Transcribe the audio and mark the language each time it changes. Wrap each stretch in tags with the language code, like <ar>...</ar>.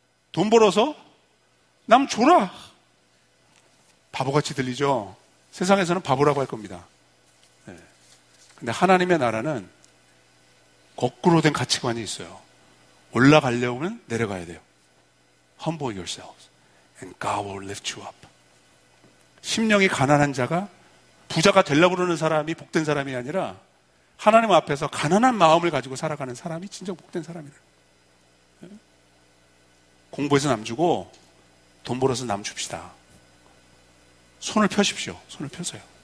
<ko>돈 벌어서 남 줘라. 바보같이 들리죠? 세상에서는 바보라고 할 겁니다. 근데 하나님의 나라는 거꾸로 된 가치관이 있어요. 올라가려면 내려가야 돼요.</ko> <en>Humble yourselves and God will lift you up.</en> <ko>심령이 가난한 자가 부자가 되려고 그러는 사람이 복된 사람이 아니라 하나님 앞에서 가난한 마음을 가지고 살아가는 사람이 진정 복된 사람이래요. 공부해서 남주고 돈 벌어서 남줍시다. 손을 펴십시오. 손을 펴세요.</ko>